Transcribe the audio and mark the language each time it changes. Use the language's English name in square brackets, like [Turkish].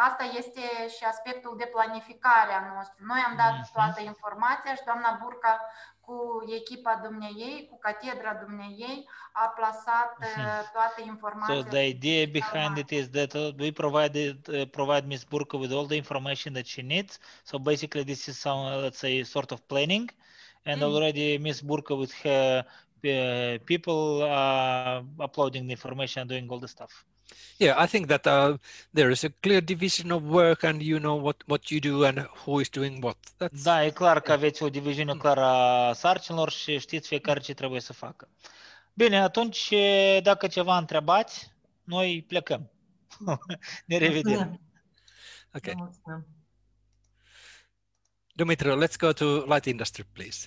[Romanian] Asta este și aspectul de planificare a noastră. Noi am dat toată informația și doamna Burka cu echipa dumneiei, cu catedra dumneiei, a plasat toată informația. [English] So the idea behind it is that we provide Ms. Burka with all the information that she needs. So basically this is some, let's say, sort of planning. And already Ms. Burka with her people uploading the information and doing all the stuff. Yeah, I think that there is a clear division of work and you know what you do and who is doing what. That's... [Romanian] Da, e clar că aveți o diviziune clară a sarcinilor și știți fiecare ce trebuie să facă. Bine, atunci, dacă ceva întrebați, noi plecăm. Ne revedem. [English] Okay. Dumitru, let's go to light industry, please.